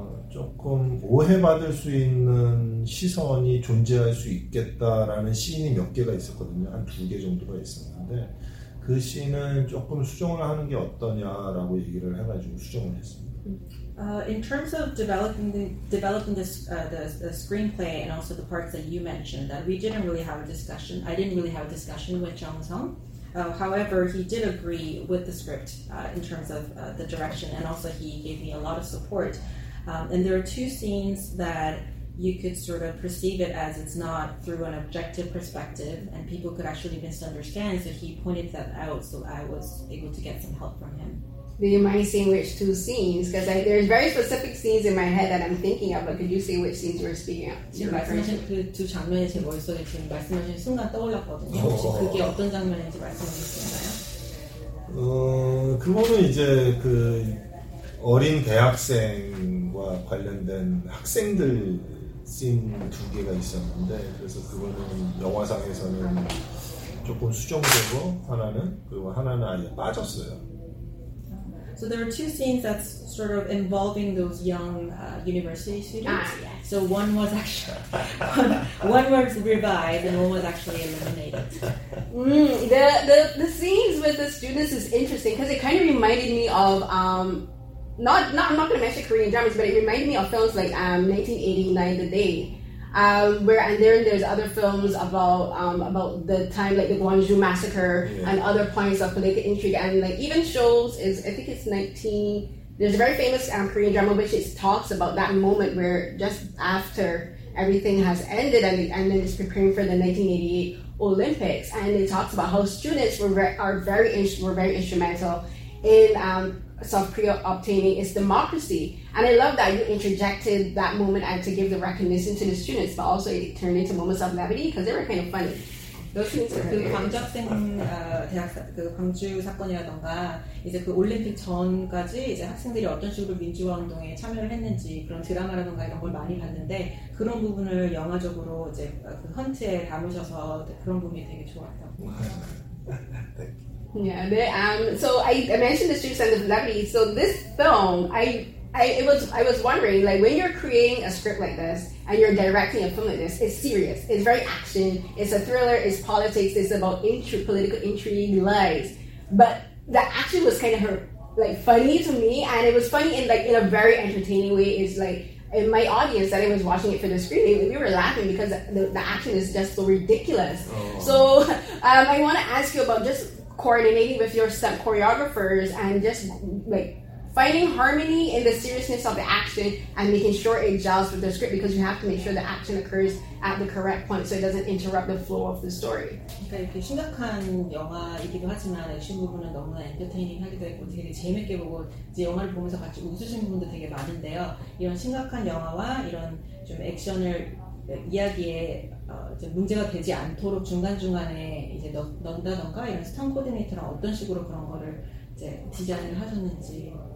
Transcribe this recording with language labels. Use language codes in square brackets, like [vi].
[ko] 조금 오해받을 수 있는 시선이 존재할 수 있겠다라는 씬이 몇 개가 있었거든요. 한 두 개 정도가 있었는데 그 씬은 조금 수정을 하는 게 어떠냐라고 얘기를 해가지고 수정을 했습니다. [en] In terms of developing the screenplay and also the parts that you mentioned, that we didn't really have a discussion. I didn't really have a discussion with Jung Woo-sung. However, he did agree with the script in terms of the direction, and also he gave me a lot of support. And there are two scenes that you could sort of perceive it as it's not through an objective perspective and people could actually misunderstand, so he pointed that out so I was able to get some help from him. Do you mind seeing which two scenes? Because there's very specific scenes in my head that I'm thinking of, but could you say which scenes you're speaking of? [ko] 지금 말씀하신 그 두 장면이 제 머릿속에 지금 말씀하신 순간 떠올랐거든요. 혹시 그게 어떤 장면인지 말씀해 주실까요? 그거는 이제 그 어린 대학생과 관련된 학생들 씬 두 개가 있었는데, 그래서 그거는 영화상에서는 조금 수정되고 하나는, 그리고 하나는 아예 빠졌어요. [en] So there are two scenes that's sort of involving those young university students. Ah, yes. So one was actually one was revived and one was actually eliminated. The scenes with the students is interesting because it kind of reminded me of I'm not going to mention Korean dramas, but it reminded me of films like 1989, The Day. Where and then there's other films about the time, like the Gwangju massacre, yeah, and other points of political intrigue, and like even shows is, I think it's 19, there's a very famous Korean drama which it talks about that moment where just after everything has ended and then it's preparing for the 1988 Olympics, and it talks about how students were very instrumental in South Korea obtaining its democracy. And I love that you interjected that moment and to give the recognition to the students, but also it turned into moments of levity because they were kind of funny. Those students, [ko] 그 광주학생 대학 그 광주 사건이라던가 이제 그 올림픽 전까지 이제 학생들이 어떤 식으로 민주화 운동에 참여를 했는지 그런 드라마라던가 이런 걸 많이 봤는데 그런 부분을 영화적으로 이제 그 헌트에 담으셔서 그런 부분이 되게 좋았다고. [en] Yeah, they, so I mentioned the students and the levity. So this film, I was wondering, like, when you're creating a script like this and you're directing a film like this, it's serious. It's very action. It's a thriller. It's politics. It's about political intrigue, lies. But the action was kind of like funny to me, and it was funny in a very entertaining way. It's like in my audience that I was watching it for the screening, we were laughing because the action is just so ridiculous. Oh. So I want to ask you about just coordinating with your sub choreographers and just like finding harmony in the seriousness of the action and making sure it gels with the script, because you have to make sure the action occurs at the correct point so it doesn't interrupt the flow of the story. [ko] 그러니까 이렇게 심각한 영화이기도 하지만 액션 부분은 너무나 엔터테이닝하기도 했고 되게 재밌게 보고 이제 영화를 보면서 같이 웃으신 분도 되게 많은데요. 이런 심각한 영화와 이런 좀 액션을 이야기에 문제가 되지 않도록 중간중간에 이제 넣는다던가 이런 스턴 코디네이터랑 어떤 식으로 그런 거를 이제 디자인을 하셨는지.